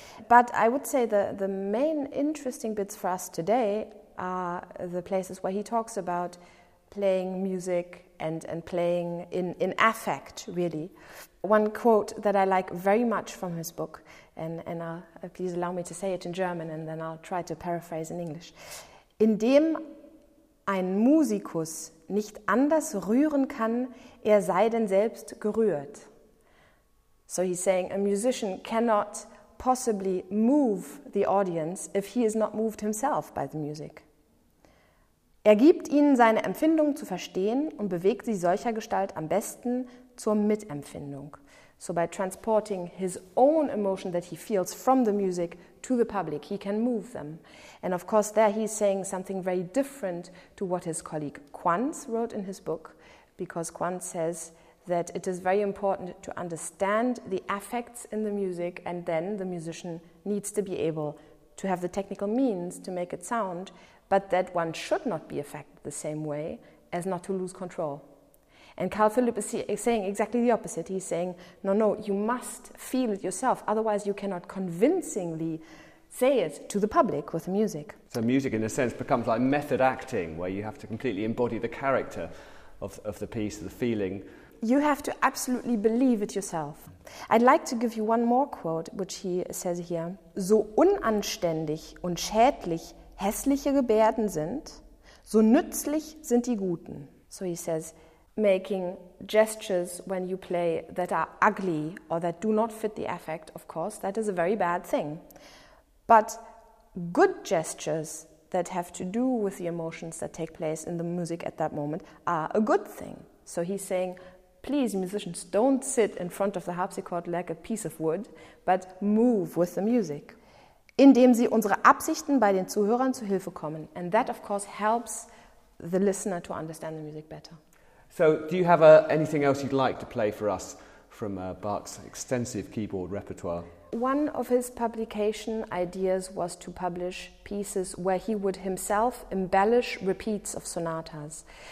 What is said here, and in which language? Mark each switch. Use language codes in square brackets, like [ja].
[en] But I would say the main interesting bits for us today are the places where he talks about playing music and playing in affect, really. One quote that I like very much from his book, and please allow me to say it in German, and then I'll try to paraphrase in English. [de] Indem ein Musikus nicht anders rühren kann, sei denn selbst gerührt. [en] So he's saying a musician cannot possibly move the audience if he is not moved himself by the music. [de] Gibt ihnen seine Empfindung zu verstehen und bewegt sie solcher Gestalt am besten zur Mitempfindung. [en] So by transporting his own emotion that he feels from the music to the public, he can move them. And of course there he's saying something very different to what his colleague Quanz wrote in his book, because Quanz says that it is very important to understand the affects in the music, and then the musician needs to be able to have the technical means to make it sound, but that one should not be affected the same way as not to lose control. And Carl Philipp is saying exactly the opposite. He's saying, no, no, you must feel it yourself, otherwise you cannot convincingly say it to the public with the music. So music, in a sense, becomes like method acting, where you have to completely embody the character of the piece, the feeling. You have to absolutely believe it yourself. I'd like to give you one more quote, which he says here. [de] So unanständig und schädlich hässliche Gebärden sind, so nützlich sind die guten. [en] So he says, making gestures when you play that are ugly or that do not fit the affect, of course, that is a very bad thing. But good gestures that have to do with the emotions that take place in the music at that moment are a good thing. So he's saying, please, musicians, don't sit in front of the harpsichord like a piece of wood, but move with the music. [de] Indem sie unsere Absichten bei den Zuhörern zu Hilfe kommen. [en] And that, of course, helps the listener to understand the music better. So do you have anything else you'd like to play for us from Bach's extensive keyboard repertoire? One of his publication ideas was to publish pieces where he would himself embellish repeats of sonatas.